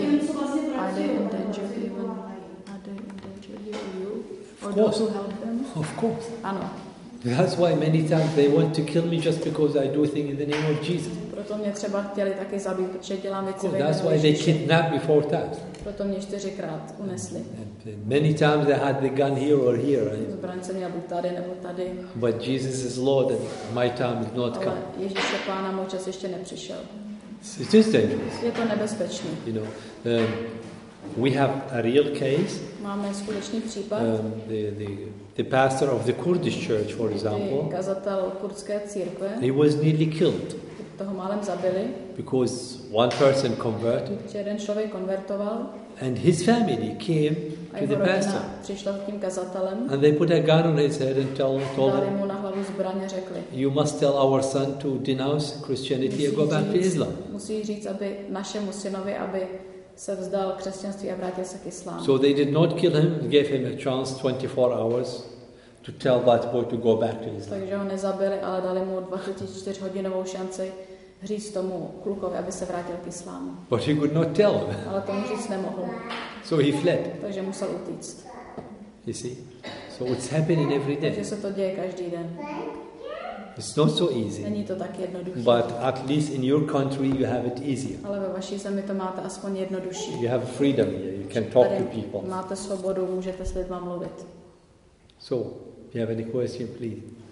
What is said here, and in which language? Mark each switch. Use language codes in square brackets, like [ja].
[en] That's why many times they want to kill me just because I do things in the name of Jesus. [cs] Proto mě třeba chtěli taky zabít, protože dělám věci ve jménu. [en] That's why they kidnapped me 4 times. [cs] Proto mě 4x unesli. [en] Many times they had the gun here or here. [cs] Zbraně měl buď tady nebo tady. [en] But Jesus is Lord and my time is not come. [cs] Ale Ježíš je Pán a můj čas ještě nepřišel. [en] It is dangerous. [cs] Je to nebezpečné. [en] You know, we have a real case. [cs] Máme skutečný případ. [en] The pastor of the Kurdish church, for example, [cs] kazatel kurdské církve, [en] he was nearly killed. [cs] Toho málem zabili. [en] Because one person converted. [cs] Jeden člověk konvertoval. [en] And his family came to the pastor. [cs] Přišla k tím kazatelem. [en] And they put a gun on his head and told him, [cs] na hlavu zbraně řekli, [en] you must tell our son to denounce Christianity and go back to Islam. [cs] Musí říct, aby našemu synovi, aby se vzdal křesťanství a vrátil se k islámu. [en] So they did not kill him, gave him a chance 24 hours to tell that boy to go back to Islam. [cs] Takže ho nezabili, ale dali mu 24 hodinovou šanci říct tomu klukovi, aby se vrátil k islámu. [en] But he could not tell. [cs] Ale tomu říct nemohl. [en] So he fled. [cs] Takže musel utíct. [en] You see? So it's happening every day. [cs] Takže se to děje každý den. [en] It's not so easy. [cs] Není to tak jednoduché. [en] But at least in your country you have it easier. [cs] Ale ve vaší zemi to máte aspoň jednodušší. [en] You have freedom here. You can talk to people. [cs] Máte svobodu, můžete s lidmi mluvit. [en] So, if you have any question, please.